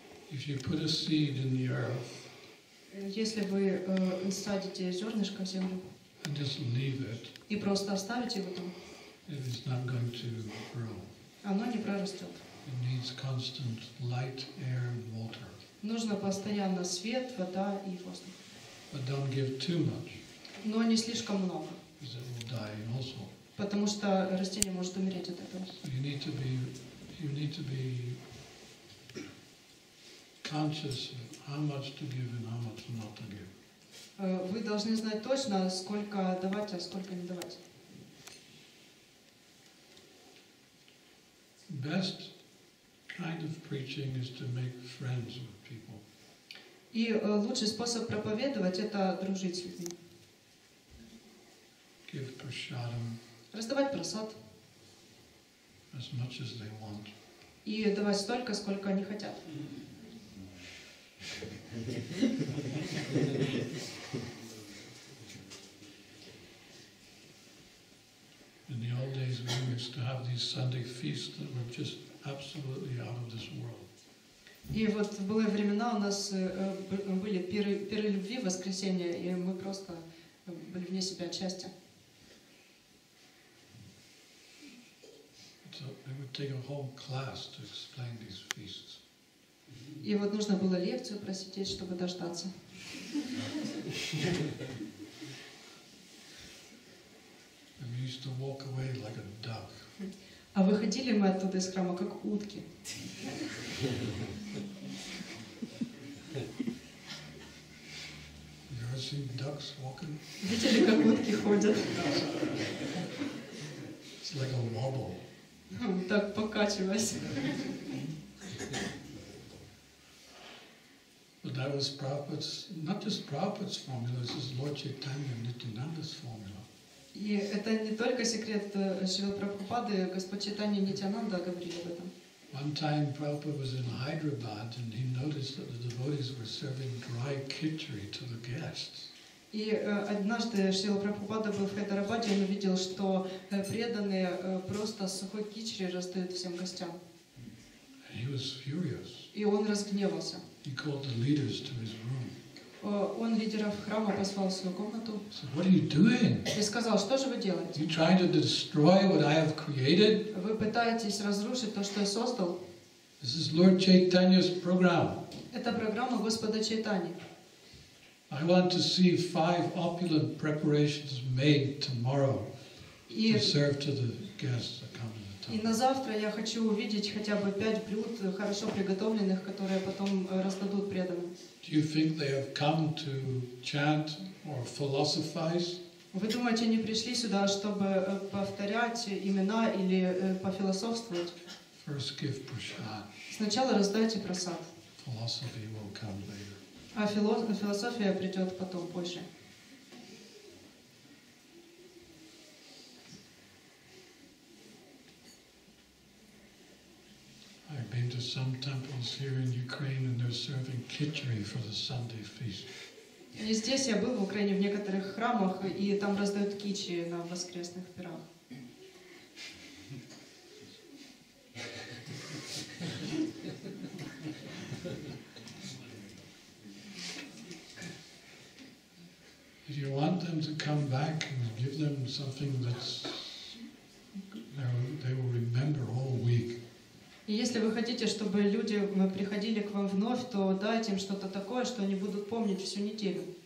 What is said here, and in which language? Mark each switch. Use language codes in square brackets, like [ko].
[en] If you put a seed in the earth, [ru] если вы садите зернышко в землю, [en] and just leave it, [ru] и просто оставить его там, [en] it is not going to grow. [ru] Оно не прорастет. [en] It needs constant light, air, and water. [ru] Нужно постоянно свет, вода и воздух. [en] But don't give too much. [ru] Но не слишком много. [en] Because it will die also. [ru] Потому что растение может умереть от этого. [en] You need to be conscious of how much to give and how much not to give. [ru] Вы должны знать точно, сколько давать, а сколько не давать. [en] Best kind of preaching is to make friends with people. [ru] И лучший способ проповедовать – это дружить с людьми. [en] Give prasadam. [ru] Раздавать просад. [en] As much as they want. [ru] И давать столько, сколько они хотят. [en] In the old days, we used to have these Sunday feasts that were just absolutely out of this world. [ru] И вот были времена у нас были пиры любви воскресенье, и мы просто были вне себя от счастья. [en] So it would take a whole class to explain these feasts. [ru] И вот нужно было лекцию просидеть, чтобы дождаться. [en] And we used to walk away like a duck. [ru] А выходили мы оттуда из храма как утки. [en] You ever seen ducks walking? [ru] Видели, как утки ходят? [en] It's like a wobble. [ru] Так покачиваясь. [en] But that was Prabhupada's, not just Prabhupada's formula, it's Lord Chaitanya Nityananda's formula. [ru] И это не только секрет Шрилы Прабхупады, Господь Чайтанья Нитьянанда говорил об этом. [en] One time Prabhupada was in Hyderabad and he noticed that the devotees were serving dry khichdi to the guests. [ru] И однажды Шрила Прабхупада был в Хайдарабаде, он увидел, что преданные просто сухой кичри раздают всем гостям. [en] He was furious. [ru] И он разгневался. [en] He called the leaders to his room. [ru] Он лидеров храма позвал в свою комнату. [en] So what are you doing? [ru] И сказал, что же вы делаете? [en] You trying to destroy what I have created? [ru] Вы пытаетесь разрушить то, что я создал? [en] This is Lord Chaitanya's program. [ru] Это программа Господа Чайтани. [en] I want to see five opulent preparations made tomorrow to serve to the guests that come to the temple. [ru] И на завтра я хочу увидеть хотя бы пять блюд хорошо приготовленных, которые потом раздадут преданным. [en] Do you think they have come to chant or philosophize? [ru] Вы думаете, они пришли сюда, чтобы повторять имена или пофилософствовать? [en] First give prasad. [ru] Сначала раздайте просад. [en] Philosophy will come later. [ru] А философия придет потом позже. [en] I've been to some temples here in Ukraine and they're serving khichdi for the Sunday feast. [ru] И здесь я был в Украине в некоторых храмах, и там раздают кичи на воскресных пирах. [en] If you want them to come back and give them something that's they will remember all week. [ru] И если вы хотите, чтобы люди приходили к вам вновь, то дайте им что-то такое, что они будут помнить всю неделю.